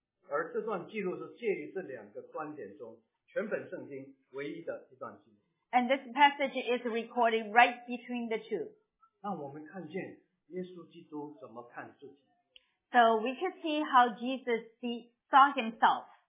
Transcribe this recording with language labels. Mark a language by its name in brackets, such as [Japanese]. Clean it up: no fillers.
[Chinese] 而这段记录是介于这两个观点中全本圣经唯一的一段记录。 [English] And this passage is recorded right between the two. [Chinese] 让我们看见耶稣基督怎么看自己。 [English] So we could see how Jesus saw himself.